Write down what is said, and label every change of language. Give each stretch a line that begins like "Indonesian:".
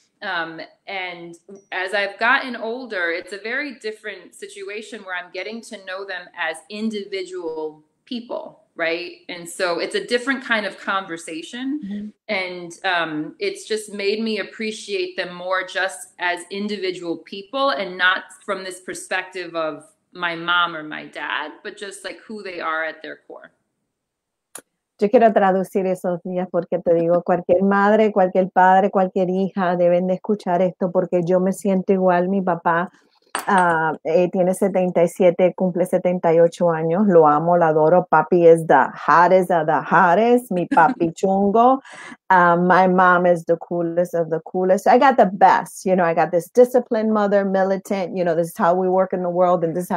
English: And as I've gotten older, it's a very different situation where I'm getting to know them as individual people, right? And so it's a different kind of conversation. And it's just made me appreciate them more just as individual people and not from this perspective of my mom or my dad, but just like who they are at their core.
Spanish: Yo quiero traducir esos días porque te digo, cualquier madre, cualquier padre, cualquier hija deben de escuchar esto porque yo me siento igual. Mi papá tiene 77, cumple 78 años, lo amo, lo adoro. Papi es
English: the hottest of the hottest,
Spanish: mi papi chungo.
English: My mom is the coolest of the coolest. I got the best, I got this disciplined mother, militant, this is how we work in the world, and this is how.